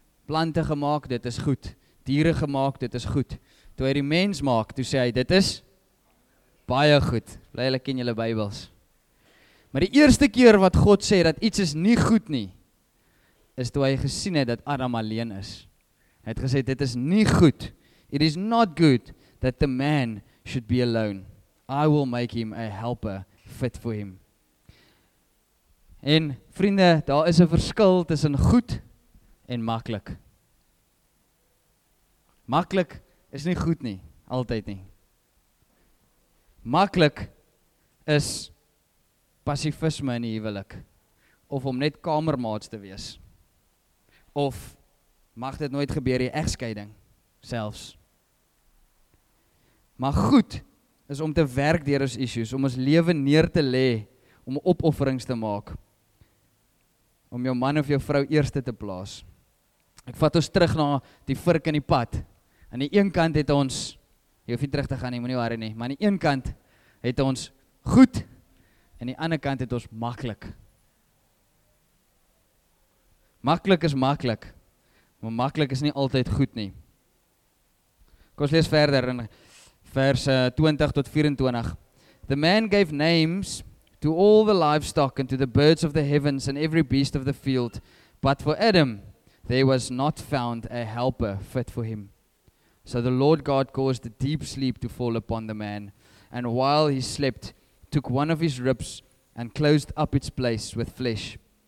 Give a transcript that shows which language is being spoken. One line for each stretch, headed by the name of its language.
Afrikaans: Plante gemaak, dit is goed. Diere gemaak, dit is goed. Toe hy die mens maak, toe sê hy, dit is baie goed. Bly hulle ken julle Bybels. Maar die eerste keer wat God sê dat iets is nie goed nie, is toe hy gesien het dat Adam alleen is. Hy het gesê, dit is nie goed.
English: It is not good that the man should be alone. I will make him a helper fit for him.
Afrikaans: En vriende, daar is 'n verskil tussen goed en maklik. Maklik is nie goed nie, altyd nie. Maklik is pasifisme in die huwelik, of om net kamermaats te wees, of mag dit nooit gebeur, die egskeiding selfs. Maar goed is om te werk deur ons issues, om ons lewe neer te lê, om opofferings te maak, om jou man of jou vrou eerste te plaas. Ek vat ons terug na die vurk in die pad. Aan die een kant het ons, jy hoef nie terug te gaan, jy moet nie worry nie, maar aan die een kant het ons goed, en die ander kant het ons maklik. Maklik is maklik, maar maklik is nie altyd goed nie. Kom ons lees verder in verse 20 tot 24.
English: The man gave names to all the livestock and to the birds of the heavens and every beast of the field, but for Adam there was not found a helper fit for him. So the Lord God caused a deep sleep to fall upon the man, and while he slept, took one of his ribs and closed up its place with flesh.